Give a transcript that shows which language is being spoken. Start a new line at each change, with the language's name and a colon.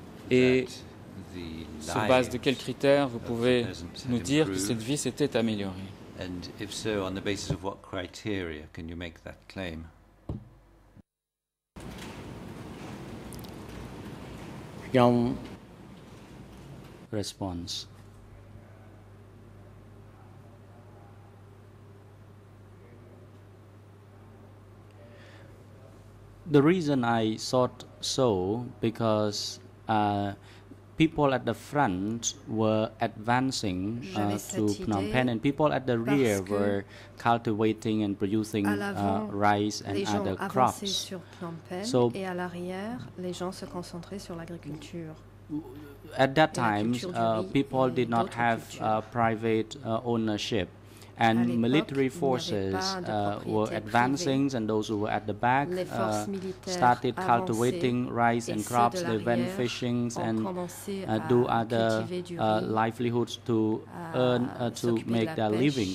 French: Et sur base de quels critères vous pouvez nous dire que cette vie s'était améliorée?
English: And if so, on the basis of what criteria can you make that claim? Young response. The reason I thought so because people at the front were advancing to Phnom Penh, and people at the rear were cultivating and producing rice and other crops.
French: Sur Phnom Penh, so, et à l'arrière, les gens se concentraient sur l'agriculture.
English: At that time, people did not have private ownership. And military forces were advancing,
French: privée.
English: And those who were at the back started cultivating rice and crops. They went fishing and do other livelihoods to earn to make their living.